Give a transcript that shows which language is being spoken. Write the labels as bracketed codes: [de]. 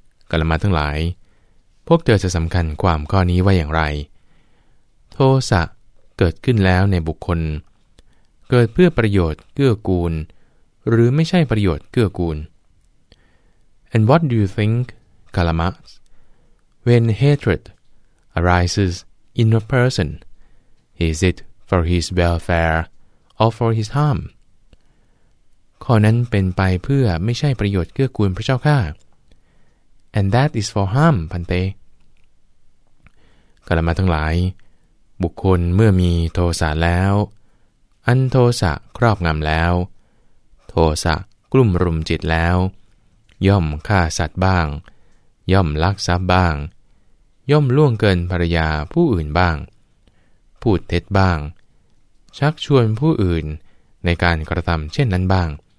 [th] กาลมะทั้งหลายพวกเธอจะสำคัญความข้อนี้ว่าอย่างไรโทสะเกิดขึ้นแล้วในบุคคลเกิดเพื่อประโยชน์เกื้อกูลหรือไม่ใช่ประโยชน์เกื้อกูล [en] And what do you think, Kalama? When hatred arises in a person, is it for his welfare or for his harm? [th] ข้อนั้นเป็นไปเพื่อไม่ใช่ประโยชน์เกื้อกูลพระเจ้าข้า [en] And that is for harm, Pante. [th] Kalama ทั้งหลายบุคคลเมื่อมีโทสะแล้วอันโทสะครอบงำแล้วโทสะกลุ่มรุมจิตแล้วย่อมฆ่าสัตว์บ้างย่อมลักทรัพย์บ้างย่อมล่วงเกินภรรยาผู้อื่นบ้างพูดเท็จบ้างชักชวนผู้อื่นในการกระทำเช่นนั้นบ้าง